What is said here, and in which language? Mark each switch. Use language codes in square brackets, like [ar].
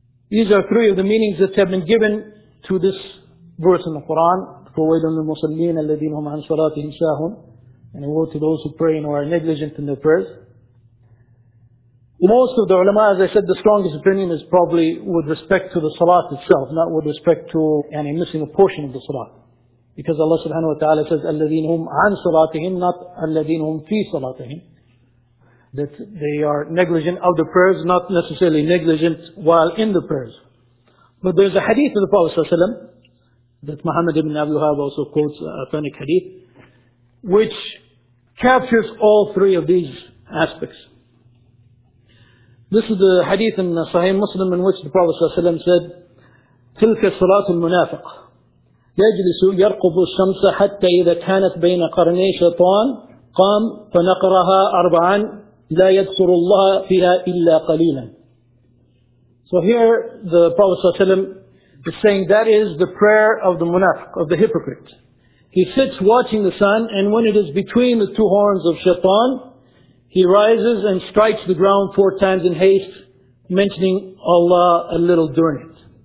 [en] These are three of the meanings that have been given to this verse in the Quran, [ar] فَوَيْلٌ لِلْمُصَلِّينَ الَّذِينَ هُمْ عَنْ صَلَاتِهِمْ سَاهُونَ, [en] and woe to those who pray and who are negligent in their prayers. Most of the ulama, as I said, the strongest opinion is probably with respect to the salat itself, not with respect to any missing a portion of the salat. Because Allah subhanahu wa ta'ala says, [ar] أَلَّذِينَ هُمْ عَنْ صَلَاتِهِمْ [en] not [ar] أَلَّذِينَ هُمْ فِي صَلَاتِهِمْ. [en] That they are negligent of the prayers, not necessarily negligent while in the prayers. But there's a hadith of the Prophet sallallahu alayhi wa sallam, that Muhammad ibn Abdul Wahhab also quotes an authentic hadith, which captures all three of these aspects. This is the hadith in Sahih Muslim in which the Prophet sallallahu alayhi wa sallam said, [ar] تِلْكَ الصَّلَاةُ الْمُنَافِقُ يَجْلِسُ يَرْقُبُ الشَّمْسَ حَتَّى إِذَا كَانَتْ بَيْنَ قَرْنَيْ شَيْطَانِ قَامْ فَنَقْرَهَا أَرْبَعًا لَا يَدْصُرُ اللَّهَ فِيهَا إِلَّا قَلِيلًا. [en] So here the Prophet ﷺ is saying that is the prayer of the munafiq, of the hypocrite. He sits watching the sun, and when it is between the two horns of shaitan, he rises and strikes the ground four times in haste, mentioning Allah a little during it.